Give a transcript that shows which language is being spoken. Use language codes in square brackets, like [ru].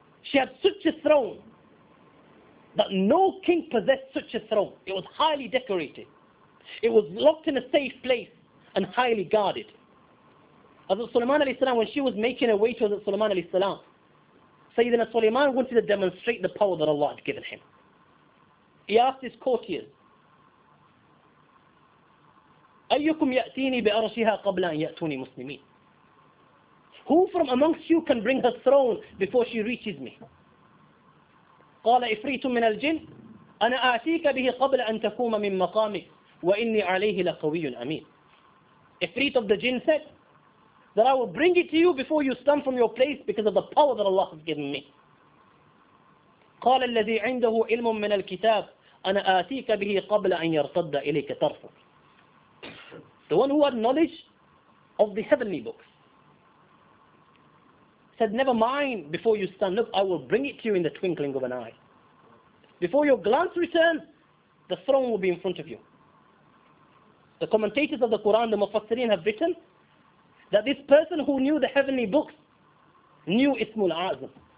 [en] She had such a throne that no king possessed such a throne. It was highly decorated. It was locked in a safe place and highly guarded. Hazrat Sulaiman alayhi salam, when she was making her way to Hazrat Sulaiman alayhi salam, Sayyidina Sulaiman wanted to demonstrate the power that Allah had given him. He asked his courtiers, [ar] أَيُّكُمْ يَأْتِينِي بِأَرْشِهَا قَبْلَ أَنْ يَأْتُونِي مُسْلِمِينَ. [en] Who from amongst you can bring her throne before she reaches me? [ar] قَالَ إِفْرِيتٌ مِّنَ الْجِنِّ أَنَا آتِيكَ بِهِ قَبْلَ أَنْ تَكُومَ مِنْ مَقَامِكَ وَإِنِّي عَلَيْهِ لَقَوِيٌّ أَمِينٌ. [en] Ifrit of the jinn said, that I will bring it to you before you stand from your place because of the power that Allah has given me. [ar] قال الذي عنده علم من الكتاب أنا آتيك به قبل أن يرتد إليك طرفك. [en] The one who had knowledge of the heavenly books said, never mind, before you stand up, I will bring it to you in the twinkling of an eye. Before your glance returns, the throne will be in front of you. The commentators of the Quran, the Mufassirin, have written that this person who knew the heavenly books knew Ismul Azam.